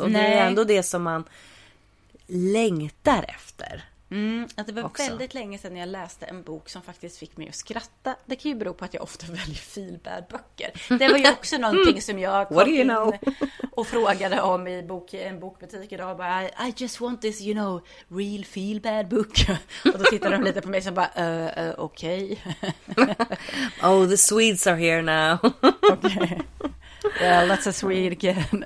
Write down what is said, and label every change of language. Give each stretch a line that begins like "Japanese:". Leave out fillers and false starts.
Swedish: Och det är ändå det som man längtar efter. Att det var också väldigt länge sedan jag läste en bok som faktiskt fick mig att skratta. Det kan ju bero på att jag ofta väljer feel-bad-böcker. Det var ju också någonting som jag kom in och frågade om i en bokbutik idag.
English: Bara, I just want this, you know, real feel-bad-book.
Swedish: Och då tittade de lite på mig och bara, okej.
English: Okay. Oh, the Swedes are here now. Okay. Well, that's a Swede again.